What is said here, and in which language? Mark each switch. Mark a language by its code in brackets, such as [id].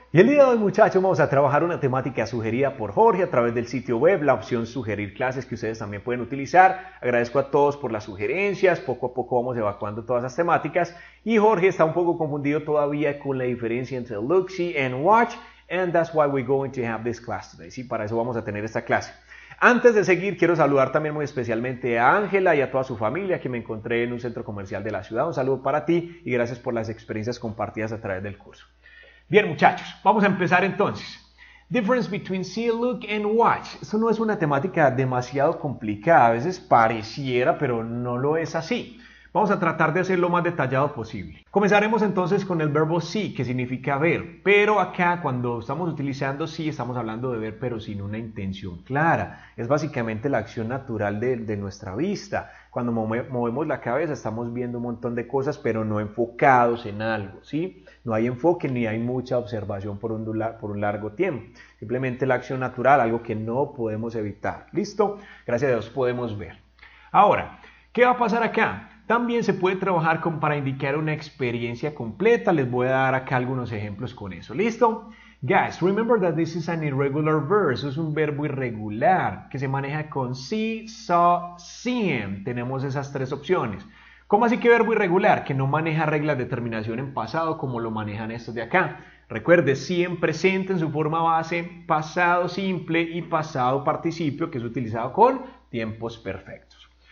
[es] Y el día de hoy, muchachos, vamos a trabajar una temática sugerida por Jorge a través del sitio web, la opción sugerir clases que ustedes también pueden utilizar. Agradezco a todos por las sugerencias. Poco a poco vamos evacuando todas las temáticas. Y Jorge está un poco confundido todavía con la diferencia entre look, see and watch. [en] And that's why we're going to have this class today. [es] Sí, para eso vamos a tener esta clase. Antes de seguir, quiero saludar también muy especialmente a Ángela y a toda su familia que me encontré en un centro comercial de la ciudad. Un saludo para ti y gracias por las experiencias compartidas a través del curso. Bien, muchachos, vamos a empezar entonces. [en] Difference between see, look and watch. [es] Esto no es una temática demasiado complicada. A veces pareciera, pero no lo es así. Vamos a tratar de hacer lo más detallado posible. Comenzaremos entonces con el verbo see, que significa ver. Pero acá, cuando estamos utilizando see, estamos hablando de ver, pero sin una intención clara. Es básicamente la acción natural de nuestra vista. Cuando movemos la cabeza, estamos viendo un montón de cosas, pero no enfocados en algo, ¿sí? No hay enfoque ni hay mucha observación por un largo tiempo. Simplemente la acción natural, algo que no podemos evitar. ¿Listo? Gracias a Dios podemos ver. Ahora, ¿qué va a pasar acá? También se puede trabajar con para indicar una experiencia completa. Les voy a dar acá algunos ejemplos con eso. ¿Listo? [en] Guys, remember that this is an irregular verb. [es] Eso es un verbo irregular que se maneja con see, saw, seen. Tenemos esas tres opciones. ¿Cómo así que verbo irregular? Que no maneja reglas de terminación en pasado como lo manejan estos de acá. Recuerde, seen presente en su forma base, pasado simple y pasado participio, que es utilizado con tiempos perfectos.